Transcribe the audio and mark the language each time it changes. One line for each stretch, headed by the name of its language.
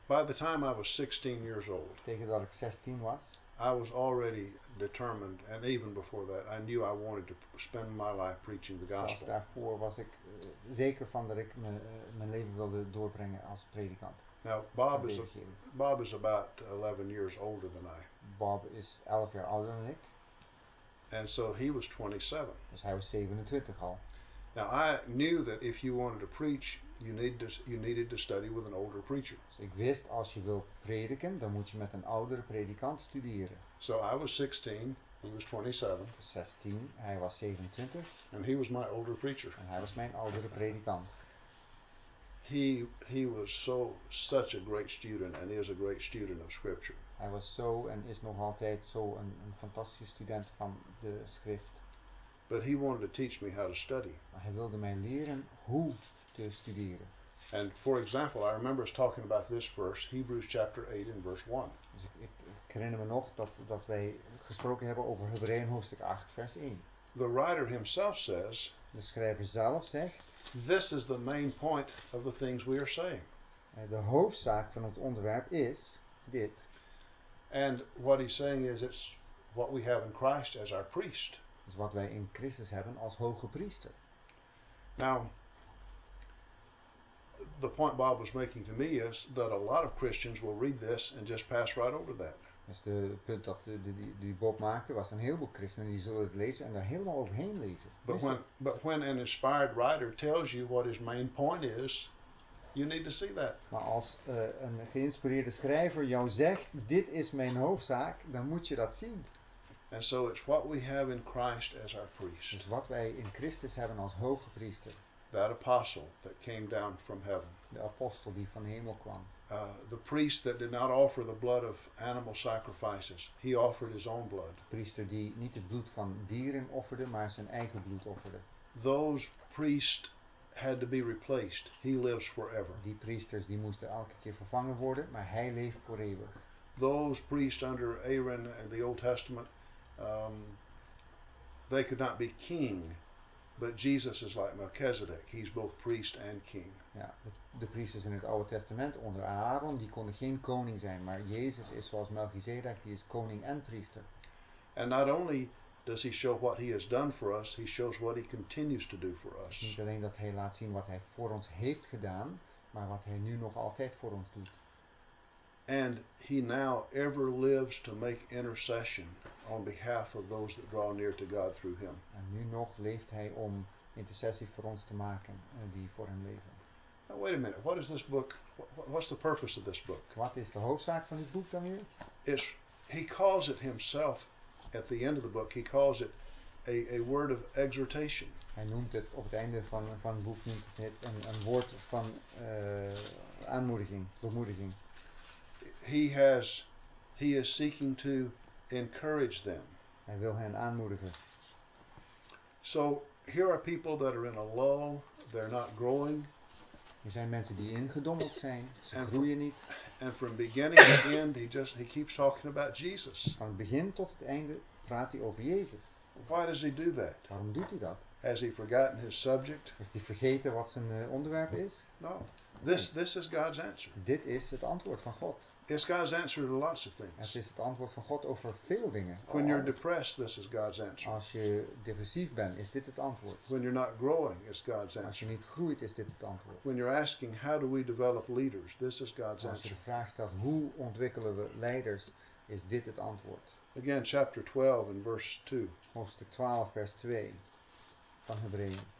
English: By the time I was 16 years old,
Dutch: tegen dat ik 16 was,
English: I was already determined, and even before that, I knew I wanted to spend my life preaching the gospel.
Dutch: Zelfs daarvoor was ik zeker van dat ik mijn leven wilde doorbrengen als predikant.
English: Now, Bob is about 11 years older than I.
Dutch: Bob is 11 jaar ouder dan ik.
English: And so he was 27.
Dutch: Dus hij was 27 al.
English: Now, I knew that if you wanted to preach, you needed to study with an older preacher.
Dutch: Dus ik wist, als je wil prediken, dan moet je met een oudere predikant studeren.
English: So I was 16, he was 27.
Dutch: 16, hij was 27.
English: And he was my older preacher.
Dutch: En hij was mijn oudere predikant.
English: He was such a great student and is a great student of Scripture.
Dutch: Hij was zo en is nog altijd zo een fantastische student van de Schrift.
English: But he wanted to teach me how to study.
Dutch: Maar hij wilde mij leren hoe te studeren.
English: And for example, I remember us talking about this verse, Hebrews chapter 8 and verse 1.
Dutch: Dus ik herinner me nog dat wij gesproken hebben over Hebreeën hoofdstuk 8 vers 1.
English: The writer himself says,
Dutch: de schrijver zelf zegt,
English: this is the main point of the things we are saying.
Dutch: De hoofdzaak van het onderwerp is dit.
English: And what he's saying is it's what we have in Christ as our priest.
Dutch: Dus wat wij in Christus hebben als hoge priester.
English: Now, the point Bob was making to me is that a lot of Christians will read this and just pass right over that.
Dutch: Dus de punt dat die Bob maakte was een heleboel christenen die zullen het lezen en daar helemaal overheen lezen.
English: But when an inspired writer tells you what his main point is, you need to see that.
Dutch: Maar als een geïnspireerde schrijver jou zegt dit is mijn hoofdzaak, dan moet je dat zien.
English: And so it's what we have in Christ as our priest.
Dutch: Dus wat wij in Christus hebben als hoge priester.
English: That apostle that came down from heaven.
Dutch: De apostel die van hemel kwam.
English: The priest that did not offer the blood of animal sacrifices, he offered his own blood.
Dutch: De priester die niet het bloed van dieren offerde, maar zijn eigen bloed offerde.
English: Those priests had to be replaced. He lives forever.
Dutch: Die priesters die moesten elke keer vervangen worden, maar hij leeft voor eeuwig.
English: Those priests under Aaron in the Old Testament, they could not be king. But Jesus is like Melchizedek. He's both priest and king.
Dutch: Ja, de priesters in het Oude Testament onder Aaron, die konden geen koning zijn, maar Jezus is zoals Melchizedek, die is koning en priester.
English: And not only does he show what he has done for us, he shows what he continues to do for us.
Dutch: Niet alleen dat hij laat zien wat hij voor ons heeft gedaan, maar wat hij nu nog altijd voor ons doet.
English: And he now ever lives to make intercession on behalf of those that draw near to God through him.
Dutch: En nu nog leeft hij om intercessie voor ons te maken die voor hem leven.
English: Now wait a minute. What is this book? What's the purpose of this book?
Dutch: Wat is de hoofdzaak van dit boek dan hier?
English: He calls it himself at the end of the book. He calls it a word of exhortation.
Dutch: Hij noemt het op het einde van het boek noemt het een woord van aanmoediging, bemoediging.
English: He is seeking to encourage them.
Dutch: Hij wil hen aanmoedigen.
English: So here are people that are in a lull. They're not growing.
Dutch: Er zijn mensen die ingedommeld zijn. Ze groeien niet.
English: And from beginning to end, he keeps talking about Jesus.
Dutch: Van begin tot het einde praat hij over Jezus.
English: Why does he do that?
Dutch: Waarom doet hij dat?
English: Has he forgotten his subject?
Dutch: Is hij vergeten wat zijn onderwerp is?
English: No. This is God's answer.
Dutch: Dit is het antwoord van God.
English: It's God's answer to lots of things.
Dutch: Het is het antwoord van God over veel dingen.
English: When you're depressed, this is God's answer.
Dutch: Als je depressief bent, is dit het antwoord.
English: When you're not growing, it's God's answer.
Dutch: Als je niet groeit, is dit het antwoord.
English: When you're asking how do we develop leaders, this is God's answer.
Dutch: Als je de vraag stelt hoe ontwikkelen we leiders, is dit het antwoord.
English: Again, chapter 12 and verse 2.
Dutch: Hoofdstuk 12, vers 2 van Hebreeën.